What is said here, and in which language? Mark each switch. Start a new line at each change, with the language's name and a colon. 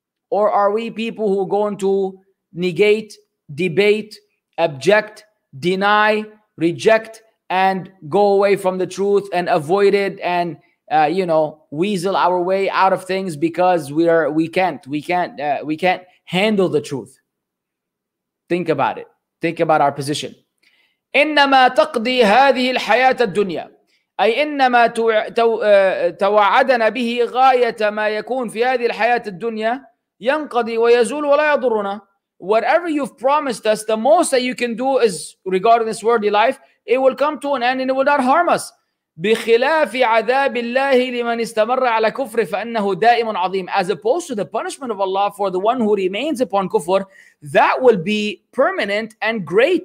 English: Or are we people who are going to negate, debate, object, deny, reject, and go away from the truth and avoid it and, you know, weasel our way out of things because we can't handle the truth? Think about it. Think about our position.
Arabic: إنما تقضي هذه الحياة الدنيا أي إنما توعدنا به غاية ما يكون في هذه الحياة الدنيا ينقضي ويزول ولا يضرنا.
English: Whatever you've promised us, the most that you can do is regarding this worldly life, it will come to an end and it will not harm us.
Arabic: بخلاف عذاب الله لمن استمر على كفر فإنه دائم عظيم.
English: As opposed to the punishment of Allah for the one who remains upon kufr, that will be permanent and great.